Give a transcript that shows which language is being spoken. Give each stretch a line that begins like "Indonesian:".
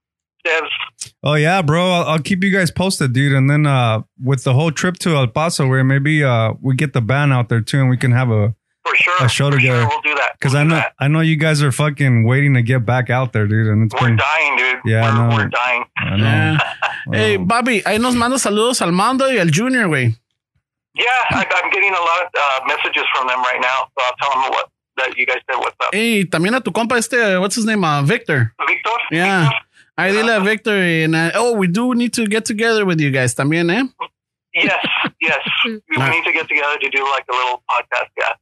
English: I can't wait to hear the new album, Devs. Oh yeah, bro, I'll keep you guys posted, dude, and then with the whole trip to El Paso, where maybe we get the band out there too and we can have a show together. Sure, we'll do that, because I know you guys are fucking waiting to get back out there, dude, and we're dying. Yeah.
Spanish: Hey, Bobby, ahí nos manda saludos al Mando y al Junior, güey.
English: Yeah, I'm getting a lot of messages from them right now, so I'll tell them what you guys said. What's up?
Spanish: Hey, también a tu compa este,
English: what's his name?
Spanish: Victor.
English: Victor? Yeah. Victor? I did a Victor. And we do need to get together with you guys también, eh? Yes. We need to get together to do like a little podcast, yeah.